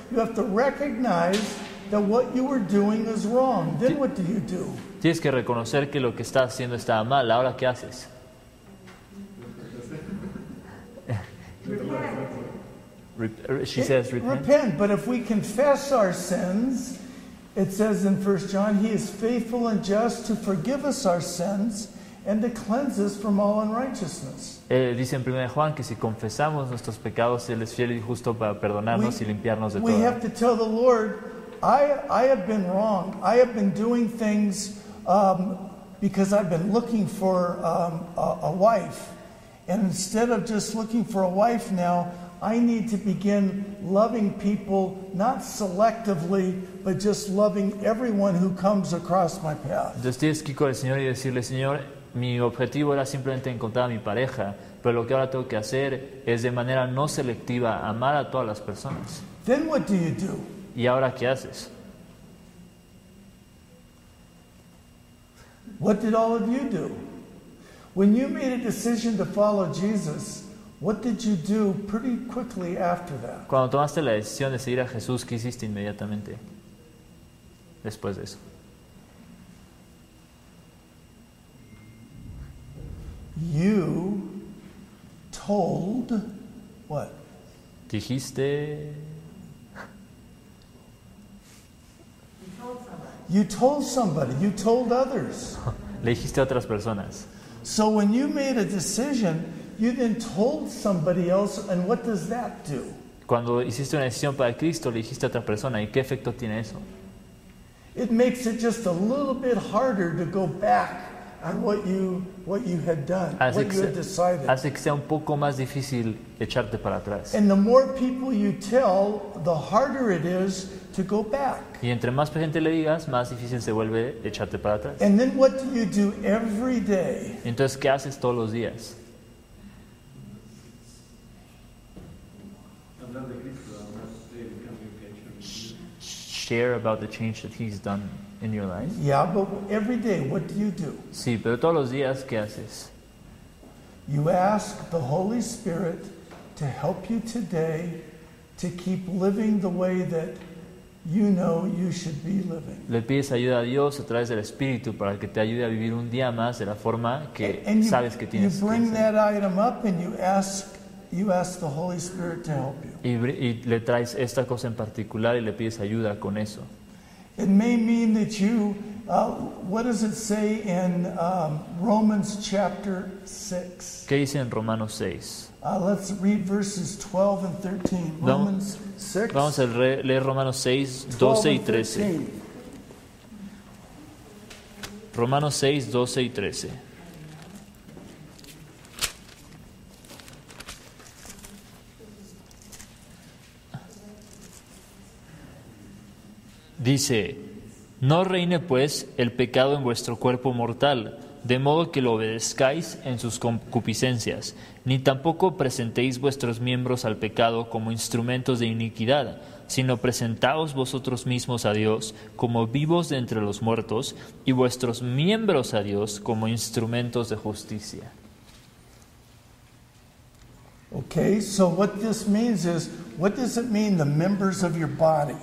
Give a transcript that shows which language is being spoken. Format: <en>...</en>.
<en>You have to recognize that what you were doing is wrong. Then what do you do?</en> <es>Tienes que reconocer que lo que estás haciendo está mal. Ahora, ¿qué haces?</es> <en>Repent. But if we confess our sins, it says in 1 John, He is faithful and just to forgive us our sins and to cleanse us from all unrighteousness.</en> <es>Dice en 1 Juan que si confesamos nuestros pecados, Él es fiel y justo para perdonarnos y limpiarnos de todo.</es> <en>We have to tell the Lord, I have been wrong. I have been doing things because I've been looking for a wife. And instead of just looking for a wife now, I need to begin loving people, not selectively, but just loving everyone who comes across my path.</en> <es>Entonces tienes que ir con el Señor y decirle, Señor, mi objetivo era simplemente encontrar a mi pareja, pero lo que ahora tengo que hacer es de manera no selectiva amar a todas las personas.</es> <en>Then what do you do?</en> <es>¿Y ahora qué haces?</es> <en>What did all of you do? When you made a decision to follow Jesus, what did you do pretty quickly after that?</en> <es>Cuando tomaste la decisión de seguir a Jesús, ¿qué hiciste inmediatamente después de eso?</es> <en>You told what?</en> <es>Dijiste.</es> <en>You told somebody. You told others.</en> <es>Le dijiste a otras personas.</es> <en>So when you made a decision, you then told somebody else, and what does that do?</en> <es>Cuando hiciste una decisión para Cristo, le dijiste a otra persona, ¿y qué efecto tiene eso?</es> <en>It makes it just a little bit harder to go back on what you had done, what you had decided.</en> <es>Hace que sea un poco más difícil echarte para atrás.</es> <en>And the more people you tell, the harder it is to go back.</en> <es>Y entre más gente le digas, más difícil se vuelve echarte para atrás.</es> <en>And then what do you do every day?</en> <es>Entonces, ¿qué haces todos los días?</es> <en>Share about the change that He's done in your life. Yeah, but every day, what do you do?</en> <es>Sí, pero todos los días, ¿qué haces?</es> <en>You ask the Holy Spirit to help you today to keep living the way that you know you should be living.</en> <es>Le pides ayuda a Dios a través del Espíritu para que te ayude a vivir un día más de la forma que sabes que tienes que hacer.</es> <en>You bring that item up and you ask the Holy Spirit to help you.</en> <es>Y le traes esta cosa en particular y le pides ayuda con eso.</es> <en>It may mean that you, what does it say in Romans chapter 6?</en> <es>¿Qué dice en Romanos 6?</es> <en>Let's read verses 12 and 13. Romans 6.</en> <es>Vamos a leer Romanos 6, 12 y 13. Romanos 6, 12 y 13. Dice, no reine pues el pecado en vuestro cuerpo mortal, de modo que lo obedezcáis en sus concupiscencias, ni tampoco presentéis vuestros miembros al pecado como instrumentos de iniquidad, sino presentaos vosotros mismos a Dios como vivos de entre los muertos y vuestros miembros a Dios como instrumentos de justicia.</es> <en>Okay, so what this means is, what does it mean, the members of your body?</en>